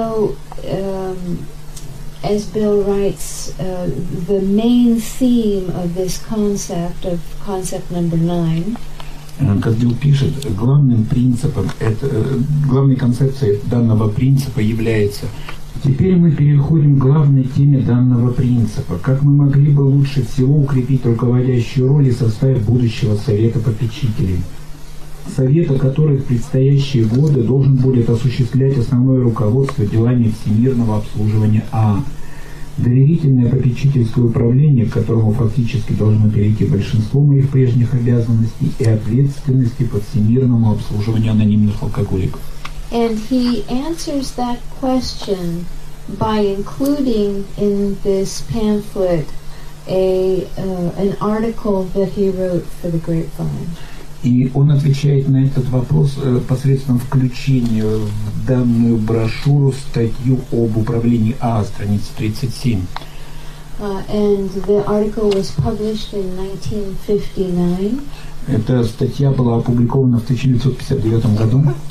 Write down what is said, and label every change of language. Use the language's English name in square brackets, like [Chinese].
[English] And so, as Bill writes, the main theme of this concept, of concept number 9. [Russian] Как Билл пишет, главной концепцией данного принципа является: теперь мы переходим к главной теме данного принципа. Как мы могли бы лучше всего укрепить руководящую роль и состав будущего совета попечителей? Совета, который в предстоящие годы должен будет осуществлять основное руководство делами всемирного обслуживания А. Доверительное попечительское управление, к которому фактически должно перейти большинство моих прежних обязанностей и ответственности по всемирному обслуживанию анонимных алкоголиков. [English] And he answers that question by including in this pamphlet an article that he wrote for the Grapevine. [Russian] И он отвечает на этот вопрос посредством включения в данную брошюру статью об управлении А, страница 37. [English] And the article was published in 1959. [Russian] Эта статья была опубликована в 1959 году.